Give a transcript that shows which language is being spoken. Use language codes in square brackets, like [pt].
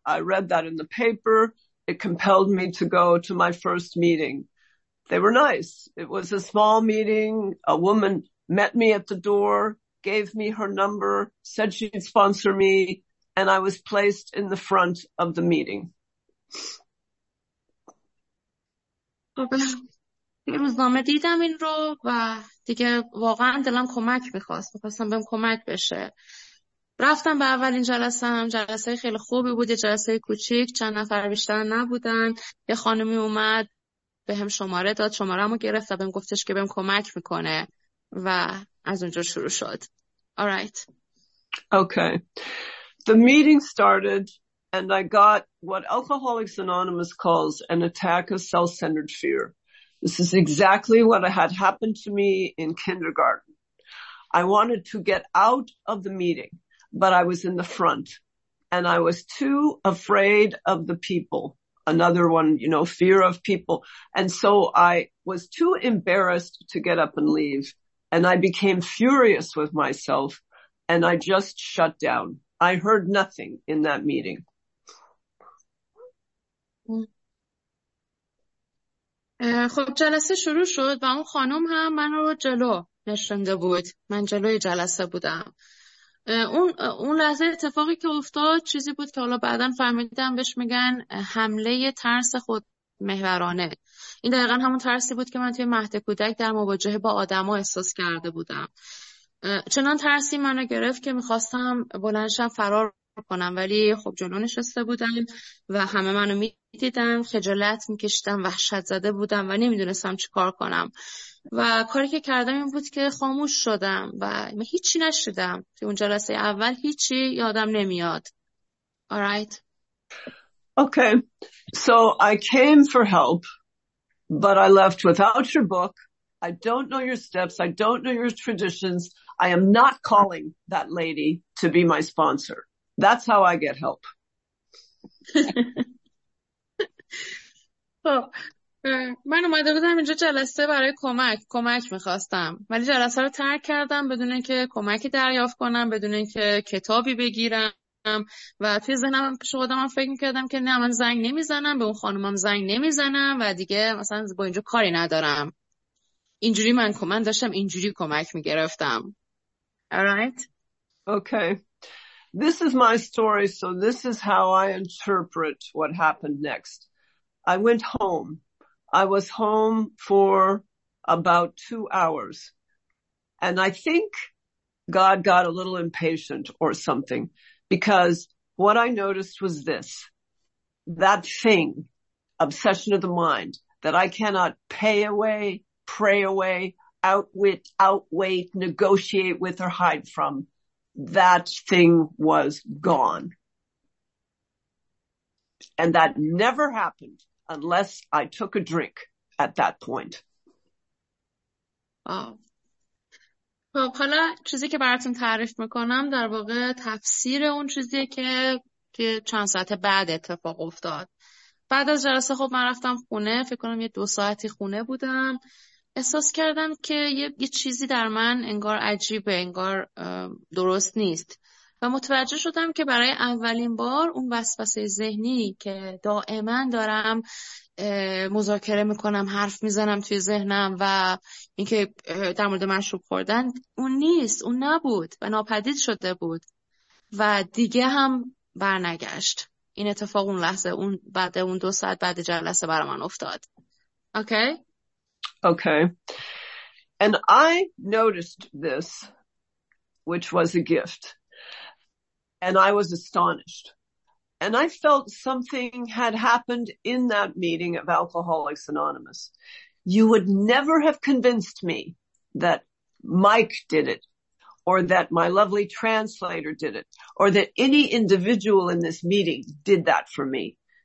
[en] I read that in the paper. It compelled me to go to my first meeting. They were nice. It was a small meeting. A woman met me at the door, gave me her number, said she'd sponsor me, and I was placed in the front of the meeting. [fa] یه روزنامه دیدم این رو و دیگه واقعا دلم کمک میخواست، میخواستم بهم کمک بشه. رفتم به اولین جلسه هم، جلسه خیلی خوبی بود، یه جلسه کوچیک، چند نفر بیشتر نبودن. یه خانمی اومد به هم شماره داد، شماره همو گرفت و بهم گفتش که بهم کمک میکنه و از اونجا شروع شد. [en] Alright. Okay. The meeting started and I got what Alcoholics Anonymous calls an attack of self-centered fear. This is exactly what had happened to me in kindergarten. I wanted to get out of the meeting, but I was in the front, and I was too afraid of the people. Another one, you know, fear of people. And so I was too embarrassed to get up and leave, and I became furious with myself, and I just shut down. I heard nothing in that meeting. [fa] خب جلسه شروع شد و اون خانم هم من رو جلو نشنده بود. من جلوی جلسه بودم. اون لحظه اتفاقی که افتاد چیزی بود که حالا بعدن فهمیدم بهش میگن حمله ترس خود محورانه. این دقیقا همون ترسی بود که من توی مهد کودک در مواجهه با آدم ها احساس کرده بودم. چنان ترسی منو گرفت که میخواستم بلندشم فرار کنم، ولی خب جلو نشسته بودم و همه منو میدیدن، خجالت میکشیدم، وحشت زده بودم و نمیدونستم چی کار کنم. و کاری که کردم این بود که خاموش شدم و هیچی نشدم. تو اون جلسه اول هیچی یادم نمیاد. [en] Alright. Okay. So I came for help, but I left without your book. I don't know your steps. I don't know your traditions. I am not calling that lady to be my sponsor. That's how I get help. [fa] من اومده بودم اینجا جلسه برای کمک میخواستم، ولی جلسه رو ترک کردم بدون اینکه کمکی دریافت کنم، بدون اینکه کتابی بگیرم. و توی ذهنم پیش خودم فکر میکردم که نه، من زنگ نمیزنم به اون خانمم، زنگ نمیزنم و دیگه مثلا با اینجا کاری ندارم. اینجوری من داشتم اینجوری کمک میگرفتم. [en] Alright. Okay. This is my story, so this is how I interpret what happened next. I went home. I was home for about 2 hours. And I think God got a little impatient or something, because what I noticed was this, that thing, obsession of the mind, that I cannot pay away, pray away, outwit, outweigh, negotiate with, or hide from. That thing was gone. And that never happened unless I took a drink at that point. Wow. [fa] خب حالا چیزی که براتون تعریف میکنم در واقع تفسیر اون چیزی که چند ساعت بعد اتفاق افتاد. بعد از جلسه خب من رفتم خونه، فکر کنم یه 2 ساعتی خونه بودم. احساس کردم که یه چیزی در من انگار عجیبه، انگار درست نیست. و متوجه شدم که برای اولین بار اون وسوسه ذهنی که دائما دارم مذاکره میکنم، حرف میزنم توی ذهنم و اینکه در مورد مشروب خوردن، اون نیست، اون نبود و ناپدید شده بود و دیگه هم برنگشت. این اتفاق اون لحظه، اون بعد اون 2 ساعت بعد جلسه برای من افتاد. [en] Okay? Okay. And I noticed this, which was a gift. And I was astonished. And I felt something had happened in that meeting of Alcoholics Anonymous. You would never have convinced me that Mike did it, or that my lovely translator did it, or that any individual in this meeting did that for me.